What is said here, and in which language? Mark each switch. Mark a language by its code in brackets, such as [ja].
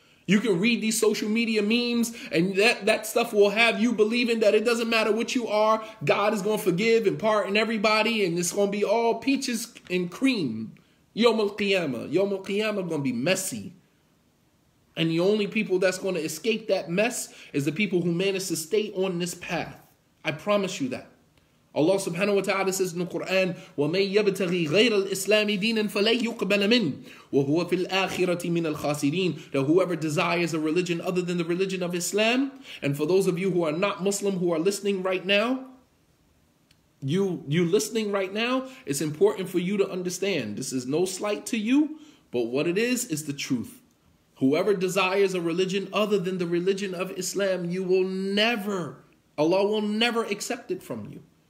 [en] You can read these social media memes and that stuff will have you believing that it doesn't matter what you are. God is going to forgive and pardon everybody and it's going to be all peaches and cream. Yawm al-Qiyamah is going to be messy. And the only people that's going to escape that mess is the people who manage to stay on this path. I promise you that. Allah subhanahu wa ta'ala says in the Quran, [ar] وَمَنْ يَبْتَغِي غَيْرَ الْإِسْلَامِ دِينًا فَلَيْ يُقْبَلَ مِنْ وَهُوَ فِي الْآخِرَةِ مِنَ الْخَاسِرِينَ. [en] That whoever desires a religion other than the religion of Islam, and for those of you who are not Muslim who are listening right now, you listening right now, it's important for you to understand. This is no slight to you, but what it is the truth. Whoever desires a religion other than the religion of Islam, you will never, Allah will never accept it from you.